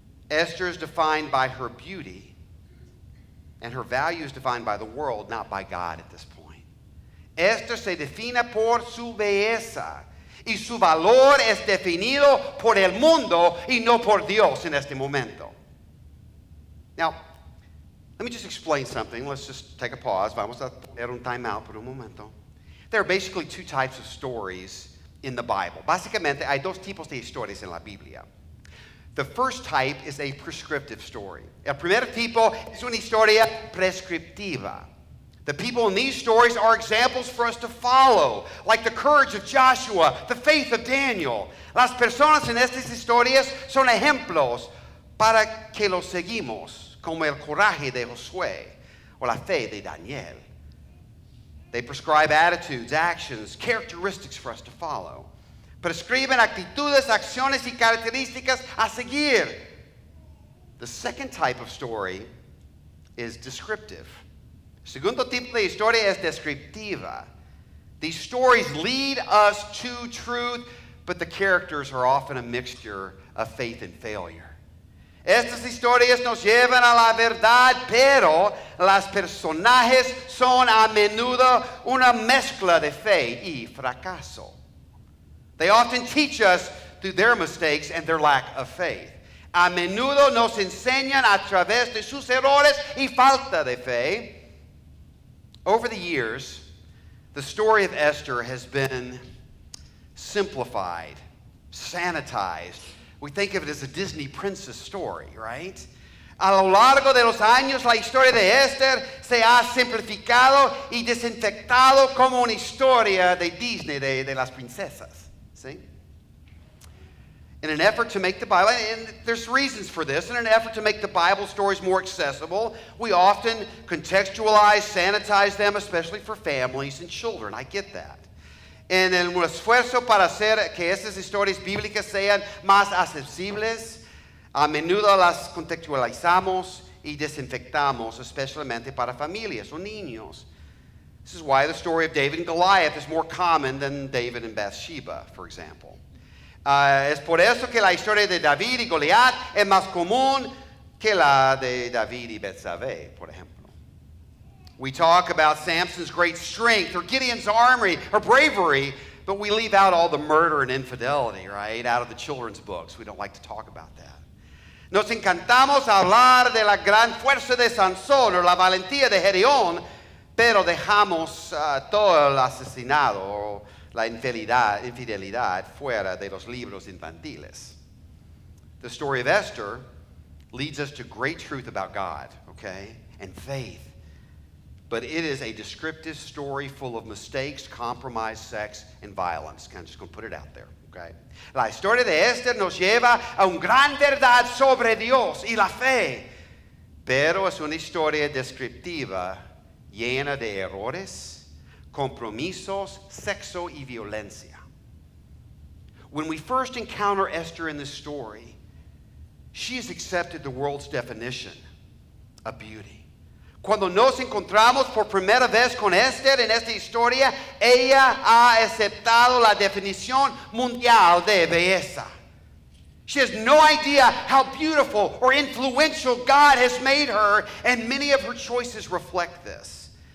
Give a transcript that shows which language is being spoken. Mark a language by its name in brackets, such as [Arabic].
[English] Esther is defined by her beauty, and her value is defined by the world, not by God at this point. [Spanish] Esther se define por su belleza, y su valor es definido por el mundo y no por Dios en este momento. [English] Now, let me just explain something. Let's just take a pause. [Spanish] Vamos a hacer un time out por un momento. [English] There are basically two types of stories in the Bible. [Spanish] Básicamente, hay dos tipos de historias en la Biblia. [English] The first type is a prescriptive story. [Spanish] El primer tipo es una historia prescriptiva. [English] The people in these stories are examples for us to follow, like the courage of Joshua, the faith of Daniel. [Spanish] Las personas en estas historias son ejemplos para que los seguimos, como el coraje de Josué o la fe de Daniel. [English] They prescribe attitudes, actions, characteristics for us to follow. [Spanish] prescriben actitudes, acciones y características a seguir. [English] The second type of story is descriptive. [Spanish] Segundo tipo de historia es descriptiva. [English] These stories lead us to truth, but the characters are often a mixture of faith and failure. [Spanish] Estas historias nos llevan a la verdad, pero las personajes son a menudo una mezcla de fe y fracaso. [English] They often teach us through their mistakes and their lack of faith. [Spanish] A menudo nos enseñan a través de sus errores y falta de fe. [English] Over the years, the story of Esther has been simplified, sanitized. We think of it as a Disney princess story, right? [Spanish] A lo largo de los años, la historia de Esther se ha simplificado y desinfectado como una historia de Disney, de las princesas. [English] See? In an effort to make the Bible, and there's reasons for this, in an effort to make the Bible stories more accessible, we often contextualize, sanitize them, especially for families and children. I get that. [Spanish] En el esfuerzo para hacer que esas historias bíblicas sean más accesibles, a menudo las contextualizamos y desinfectamos, especialmente para familias o niños. [English] This is why the story of David and Goliath is more common than David and Bathsheba, for example. [Spanish] Es por eso que la historia de David y Goliat es más común que la de David y Betsabé, por ejemplo. [English] We talk about Samson's great strength or Gideon's armory or bravery, but we leave out all the murder and infidelity, right, out of the children's books. We don't like to talk about that. [Spanish] Nos encantamos hablar de la gran fuerza de Sansón or la valentía de Gedeón, pero dejamos todo el asesinato or la infidelidad fuera de los libros infantiles. [English] The story of Esther leads us to great truth about God, okay, and faith. But it is a descriptive story full of mistakes, compromise, sex, and violence. I'm just going to put it out there, okay? [Spanish] La historia de Esther nos lleva a una gran verdad sobre Dios y la fe. Pero es una historia descriptiva llena de errores, compromisos, sexo y violencia. [English] When we first encounter Esther in this story, she has accepted the world's definition of beauty. [Spanish] Cuando nos encontramos por primera vez con Esther en esta historia, ella ha aceptado la definición mundial de belleza. [English] She has no idea how beautiful or influential God has made her, and many of her choices reflect this.